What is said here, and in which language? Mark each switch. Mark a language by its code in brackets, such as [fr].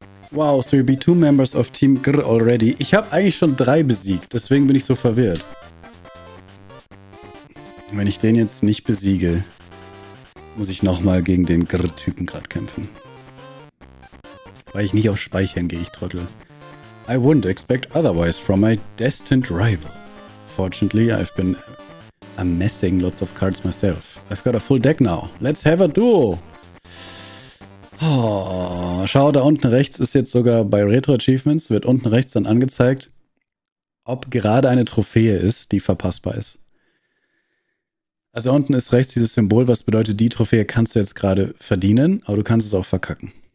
[en] Wow, so you beat 2 members of Team Grr already. [de] Ich habe eigentlich schon 3 besiegt, deswegen bin ich so verwirrt. Wenn ich den jetzt nicht besiege, muss ich nochmal gegen den Grr-Typen gerade kämpfen. Weil ich nicht auf Speichern gehe, ich Trottel. [en] I wouldn't expect otherwise from my destined rival. Fortunately, I've been amassing lots of cards myself. I've got a full deck now. Let's have a duel! [de] Oh, schau, da unten rechts ist jetzt sogar bei Retro Achievements, wird unten rechts dann angezeigt, ob gerade eine Trophäe ist, die verpassbar ist. Also unten ist rechts dieses Symbol, was bedeutet, die Trophäe kannst du jetzt gerade verdienen, aber du kannst es auch verkacken.